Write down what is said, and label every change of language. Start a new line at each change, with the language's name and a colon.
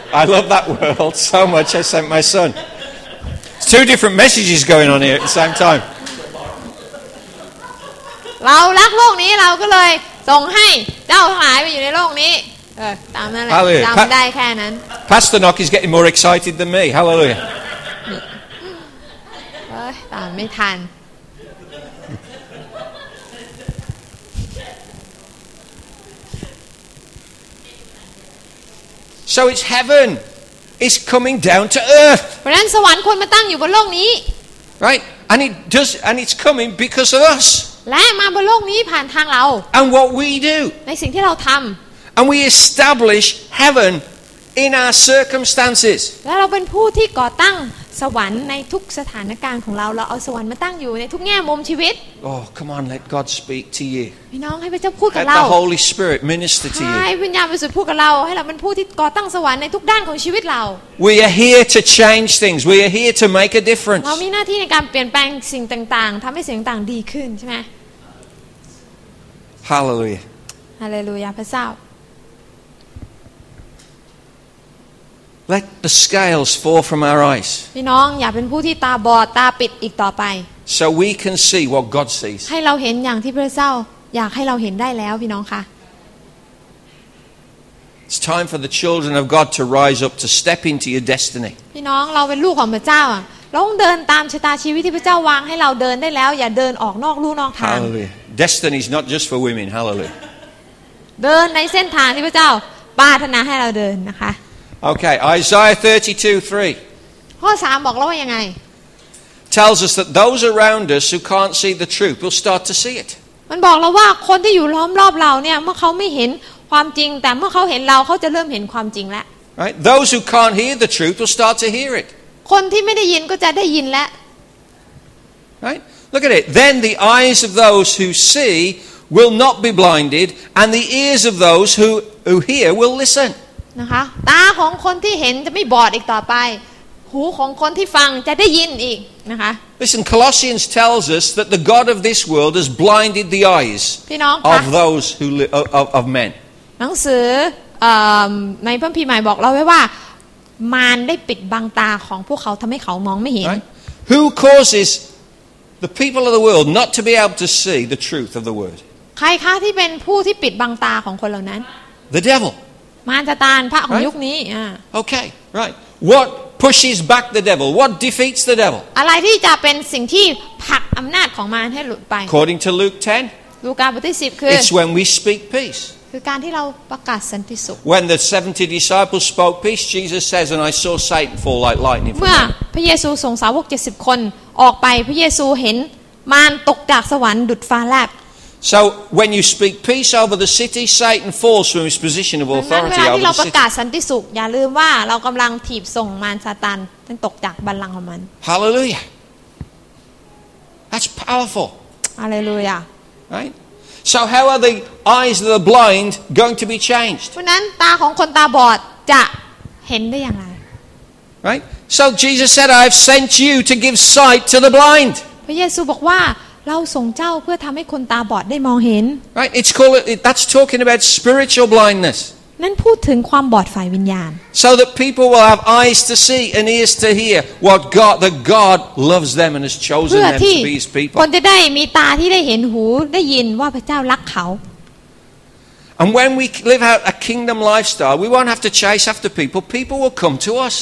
English: I love that world so much. I sent my son. Two different messages going on here at the same time.
Thai: เรารักโลกนี้เราก็เลยส่งให้เจ้าทั้งหลายไปอยู่ในโลกนี้ตามนั้นแหละจำได้แค่นั้น
English: Pastor Nock is getting more excited than me. Hallelujah.
Thai: ตามไม่ทัน
English: So it's heaven. It's coming down to earth.
Thai: เพราะนั้นสวรรค์ควรมาตั้งอยู่บนโลกนี้
English: Right? And it does and it's coming because of us.
Thai: และมาบนโลกนี้ผ่านทางเรา
English: And what we do.
Thai: ในสิ่งที่เราทำ
English: And we establish heaven in our circumstances.
Thai: และเราเป็นผู้ที่ก่อตั้ง สวรรค์ในทุกสถานการณ์ของเราเราเอาสวรรค์มาตั้งอยู่ในทุกแง่มุมชีวิต
English: Oh come on let God speak to you
Thai: พี่น้องให้พระเจ้าพูดกับเรา
English: Let the Holy Spirit minister to you
Thai: ให้วิญญาณบริสุทธิ์พูดกับเราให้เรามันพูดที่ก่อตั้งสวรรค์ในทุกด้านของชีวิตเรา
English: We are here to change things we are here to make a difference
Thai: เรามีหน้าที่ในการเปลี่ยนแปลงสิ่งต่างๆทำให้สิ่งต่างๆดีขึ้นใช่ไหม
English: Hallelujah
Thai: Hallelujah พระเจ้า
English: Let the scales fall from our eyes.
Thai: พี่น้องอย่าเป็นผู้ที่ตาบอดตาปิดอีกต่อไป
English: So we can see what God sees.
Thai: ให้เราเห็นอย่างที่พระเจ้าอยากให้เราเห็นได้แล้วพี่น้องคะ
English: It's time for the children of God to rise up to step into your destiny.
Thai: พี่น้องเราเป็นลูกของพระเจ้าเราต้องเดินตามชะตาชีวิตที่พระเจ้าวางให้เราเดินได้แล้วอย่าเดินออกนอกลู่นอกทาง
English: Hallelujah. Destiny is not just for women. Hallelujah.
Thai: เดินในเส้นทางที่พระเจ้าปรารถนาให้เราเดินนะคะ
English: Okay, Isaiah 32:3.
Thai: ข้อ3บอกเราว่ายังไง
English: Tells us that those around us who can't see the truth will start to see it.
Thai: มันบอกเราว่าคนที่อยู่ล้อมรอบเราเนี่ยเมื่อเขาไม่เห็นความจริงแต่เมื่อเขาเห็นเราเขาจะเริ่มเห็นความจริงแล้ว
English: Right? Those who can't hear the truth will start to hear it.
Thai: คนที่ไม่ได้ยินก็จะได้ยินแล้ว
English: Right? Look at it. Then the eyes of those who see will not be blinded and the ears of those who hear will listen.
Thai: นะคะตาของคนที่เห็นจะไม่บอดอีกต่อไปหูของคนที่ฟังจะได้ยินอีกนะคะ
English: Listen Colossians tells us that the god of this world has blinded the eyes of those who of men
Thai: หนังสือในพระภีร์ใหม่บอกเราไว้ว่ามารได้ปิดบังตาของพวกเขาทำให้เขามองไม่เห็น
English: Who causes the people of the world not to be able to see the truth of the word
Thai: ใครคะที่เป็นผู้ที่ปิดบังตาของคนเหล่านั้น
English: The devil
Thai: มารซาตานพระของยุคนี้
English: Okay right what pushes back the devil what defeats the devil
Thai: อะไรที่จะเป็นสิ่งที่ผลักอํานาจของมารให้หลุดไป
English: According to Luke 10
Thai: ลูกาบทที่10คือ
English: It's when we speak peace
Thai: คือการที่เราประกาศสันติสุข
English: When the 70 disciples spoke peace Jesus says and I saw Satan fall like lightning
Thai: เมื่อพระเยซูส่งสาวก70คนออกไปพระเยซูเห็นมารตกจากสวรรค์ดุจฟ้าแลบ
English: So when you speak peace over the city, Satan falls from his position of authority over the city.
Thai: เวลาที่เราประกาศสันติสุขอย่าลืมว่าเรากำลังถีบส่งมารซาตานให้ตกจากบัลลังก์ของมัน
English: Hallelujah. That's powerful. Hallelujah. Right. So how are the eyes of the blind going to be changed?
Thai: เพราะนั้นตาของคนตาบอดจะเห็นได้อย่างไร
English: Right. So Jesus said, "I have sent you to give sight to the blind."
Thai: พระเยซูบอกว่าเราส่งเจ้าเพื่อทำให้คนตาบอดได้มองเห็น
English: Right it's called it, that's talking about spiritual blindness
Thai: นั่นพูดถึงความบอดฝ่ายวิญญาณ
English: So that people will have eyes to see and ears to hear what God that God loves them and has chosen them to be his people
Thai: คนจะได้มีตาที่ได้เห็นหูได้ยินว่าพระเจ้ารักเขา
English: And when we live out a kingdom lifestyle we won't have to chase after people will come to us